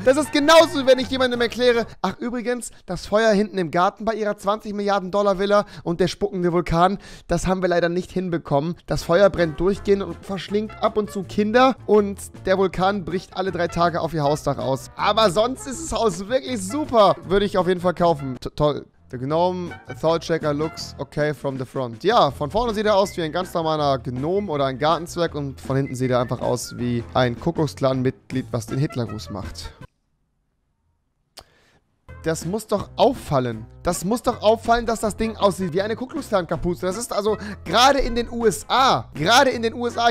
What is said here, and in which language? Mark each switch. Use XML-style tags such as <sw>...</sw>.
<de>Das ist genauso, wenn ich jemandem erkläre, ach übrigens, das Feuer hinten im Garten bei ihrer 20 Milliarden Dollar Villa und der spuckende Vulkan, das haben wir leider nicht hinbekommen. Das Feuer brennt durchgehend und verschlingt ab und zu Kinder und der Vulkan bricht alle 3 Tage auf ihr Hausdach aus. Aber sonst ist das Haus wirklich super. Würde ich auf jeden Fall kaufen. Toll.</de> <en>The Gnome Thought Checker looks okay from the front.</en> <de>Ja, von vorne sieht er aus wie ein ganz normaler Gnome oder ein Gartenzwerg und von hinten sieht er einfach aus wie ein Kuckucksklan-Mitglied, was den Hitlergruß macht. Das muss doch auffallen. Das muss doch auffallen, dass das Ding aussieht wie eine Ku Klux Klan Kapuze. Das ist also gerade in den USA. Gerade in den USA.</de>